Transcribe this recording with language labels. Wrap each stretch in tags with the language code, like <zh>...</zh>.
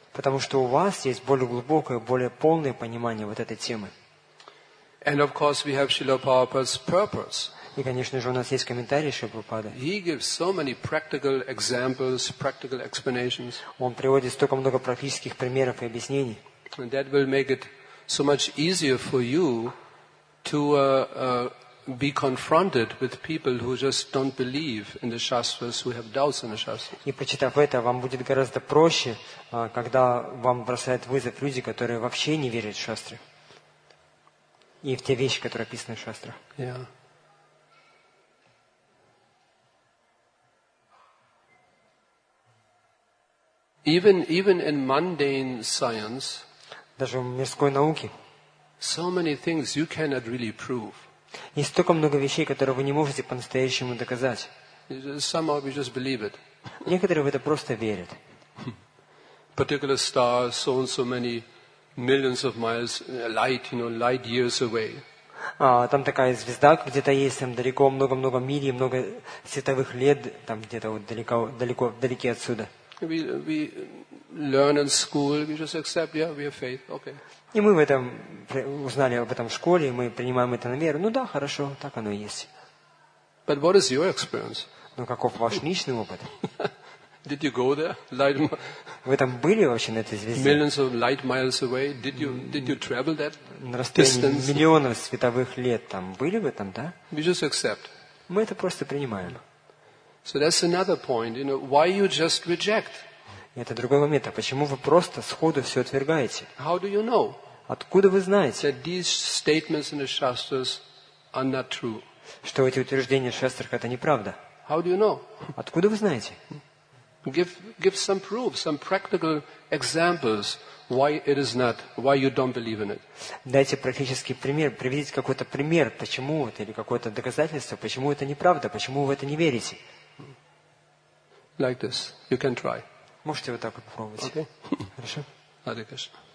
<ru>Потому что у вас есть более глубокое, более полное понимание вот этой темы.</ru> <en>And of course we have Srila Prabhupada's purpose.</en> <ru>И, конечно же, у нас есть комментарий Шрилы Прабхупады.</ru> <en>He gives so many practical examples, practical explanations.</en> <ru>Он приводит столько много практических примеров и объяснений.</ru> <en>And that will make it so much easier for you to be confronted with people who just don't believe in the Shastras, who have doubts in the Shastras.</en> <ru>И прочитав это, вам будет гораздо проще, когда вам бросают вызов люди, которые вообще не верят в Шастры. И в те вещи, которые описаны в Шастрах.</ru> <en>Yeah. Even in mundane science,</en> <ru>даже в мирской науке,</ru> <en>so many things you cannot really prove.</en> <ru>Есть столько много вещей, которые вы не можете по-настоящему доказать.</ru> <en>Somehow we just believe it.</en> <ru>Некоторые в это просто верят.</ru> <en>Particular stars, so and so many millions of miles light, you know, light years away.</en> <ru>А там такая звезда где-то есть, там далеко, много-много миль, много световых лет, там где-то вот далеко, вдалеке отсюда.</ru> <en>We learn in school. We just accept. Yeah, we have faith. Okay.</en> <ru>И мы в этом узнали об этом в школе. Мы принимаем это на веру. Ну да, хорошо, так оно и есть.</ru> <en>But what is your experience?</en> <ru>Но каков ваш личный опыт?</ru> <en>Did you go there? Light.</en> <ru>Вы там были вообще на этой звезде?</ru> <en>Millions of light miles away. Did you travel that distance?</en> <ru>На расстоянии миллионов световых лет там были вы там, да?</ru> <en>We just accept.</en> <ru>Мы это просто принимаем.</ru> <en>So that's another point, you know, why you just reject?</en> <ru>Это другой момент. А почему вы просто сходу все отвергаете?</ru> <en>How do you know?</en> <ru>Откуда вы знаете?</ru> <en>That these statements in the Shastras are not true.</en> <ru>Что эти утверждения в Шастрах это неправда?</ru> <en>How do you know?</en> <ru>Откуда вы знаете?</ru> <en>Give some proof, some practical examples why it is not, why you don't believe in it.</en> <ru>Дайте практический пример, приведите какой-то пример, почему это или какое-то доказательство, почему это неправда, почему вы в это не верите?</ru> <en>Like this, you can try.</en> <ru>Можете вот так вот попробовать.</ru> <en>Okay.</en> <ru>Хорошо.</ru> <sa>Hare Krishna.</sa>